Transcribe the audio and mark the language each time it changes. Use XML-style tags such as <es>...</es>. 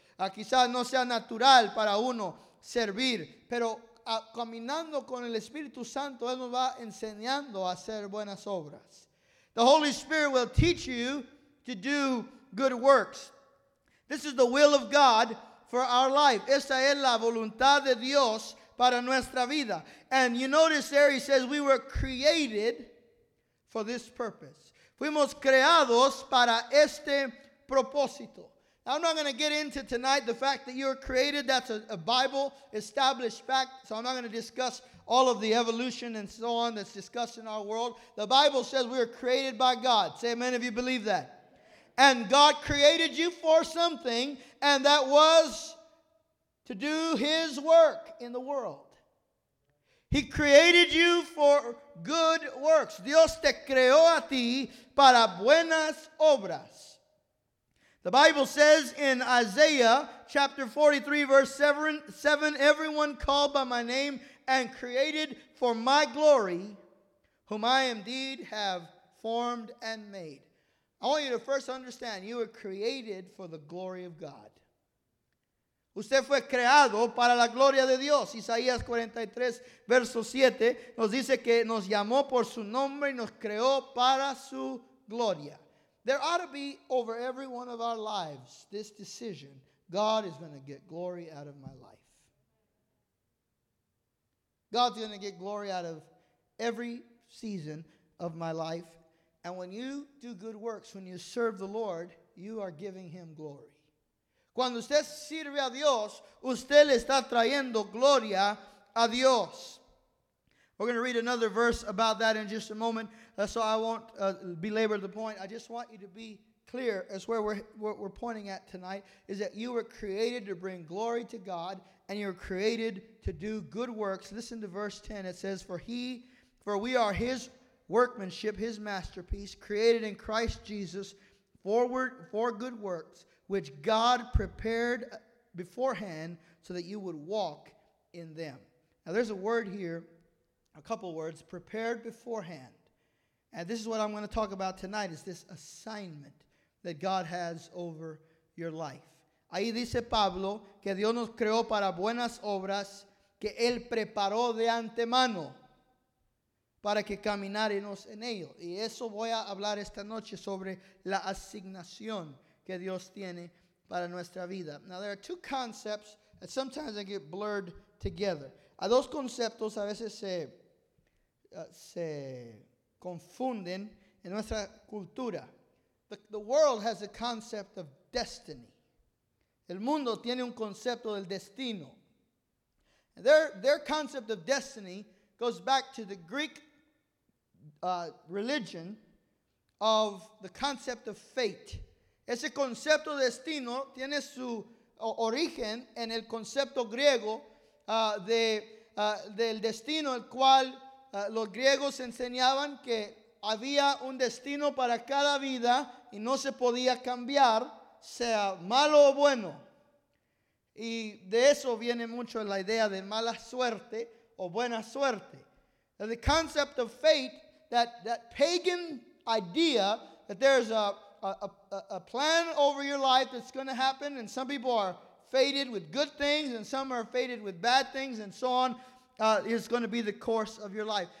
<es>Quizás no sea natural para uno servir, pero caminando con el Espíritu Santo, Él nos va enseñando a hacer buenas obras.</es> <en>The Holy Spirit will teach you to do good works. This is the will of God for our life.</en> <es>Esta es la voluntad de Dios para nuestra vida.</es> <en>And you notice there, He says, we were created for this purpose.</en> <es>Fuimos creados para este propósito.</es> <en>I'm not going to get into tonight the fact that you were created. That's a Bible established fact. So I'm not going to discuss all of the evolution and so on that's discussed in our world. The Bible says we are created by God. Say amen if you believe that. And God created you for something, and that was to do His work in the world. He created you for good works.</en> <es>Dios te creó a ti para buenas obras.</es> <en>The Bible says in Isaiah chapter 43 verse 7, everyone called by my name and created for my glory, whom I indeed have formed and made. I want you to first understand, you were created for the glory of God.</en> <es>Usted fue creado para la gloria de Dios. Isaías 43, verso 7, nos dice que nos llamó por su nombre y nos creó para su gloria.</es> <en>There ought to be over every one of our lives this decision: God is going to get glory out of my life. God's going to get glory out of every season of my life. And when you do good works, when you serve the Lord, you are giving him glory.</en> <es>Cuando usted sirve a Dios, usted le está trayendo gloria a Dios.</es> <en>We're going to read another verse about that in just a moment, so I won't belabor the point. I just want you to be clear as where we're pointing at tonight, is that you were created to bring glory to God, and you're created to do good works. Listen to verse 10. It says, For we are his workmanship, his masterpiece, created in Christ Jesus for good works, which God prepared beforehand so that you would walk in them. Now there's a word here, a couple words, prepared beforehand. And this is what I'm going to talk about tonight, is this assignment that God has over your life.</en> <es>Ahí dice Pablo que Dios nos creó para buenas obras que Él preparó de antemano, para que caminaremos en ello. Y eso voy a hablar esta noche sobre la asignación que Dios tiene para nuestra vida.</es> <en>Now there are two concepts that sometimes they get blurred together.</en> <es>A dos conceptos a veces se confunden en nuestra cultura.</es> <en>The world has a concept of destiny.</en> <es>El mundo tiene un concepto del destino.</es> <en>Their concept of destiny goes back to the Greek religion of the concept of fate.</en> <es>Ese concepto de destino tiene su origen en el concepto griego del destino, el cual los griegos enseñaban que había un destino para cada vida y no se podía cambiar, sea malo o bueno. Y de eso viene mucho la idea de mala suerte o buena suerte.</es> <en>The concept of fate, That pagan idea that there's a plan over your life that's going to happen, and some people are fated with good things and some are fated with bad things and so on, is going to be the course of your life.</en>